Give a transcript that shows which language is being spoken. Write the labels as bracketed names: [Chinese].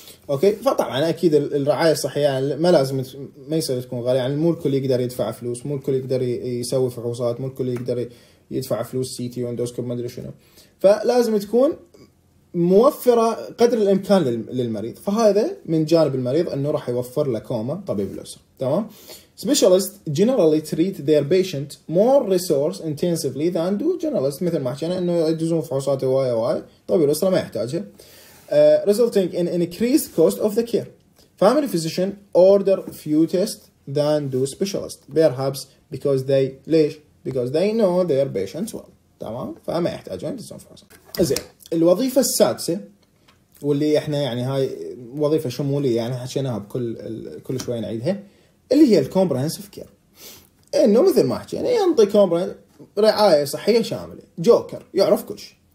[Arabic] اوكي فطبعا اكيد الرعايه الصحيه يعني ما لازم ما يصير تكون غاليه، يعني مو الكل يقدر يدفع فلوس، مو الكل يقدر يسوي فحوصات، مو الكل يقدر يدفع فلوس سي تي واندوسكوب ما ادري شنو، فلازم تكون موفرة قدر الإمكان للمريض. فهذا من جانب المريض أنه راح يوفر لكوما طبيب الأسرة. تمام؟ [English] specialists generally treat their patient more resource intensively than do generalists. [Arabic] مثل ما حكينا أنه يجزون فحوصات واي واي طبيب الأسرة ما يحتاجها, [English] resulting in increased cost of the care. Family physician order few tests than do specialists, perhaps because they [Arabic] ليش [English] because they know their patients well. [Arabic] تمام؟ فما يحتاجون يجزون فحوصات. زين, الوظيفة السادسة واللي احنا يعني هاي وظيفة شمولية يعني حكيناها بكل كل شوية نعيدها, اللي هي الكومبرهنسف كير. انه مثل ما حكينا ينطي كومبرهنسف رعاية صحية شاملة, جوكر يعرف كل شيء.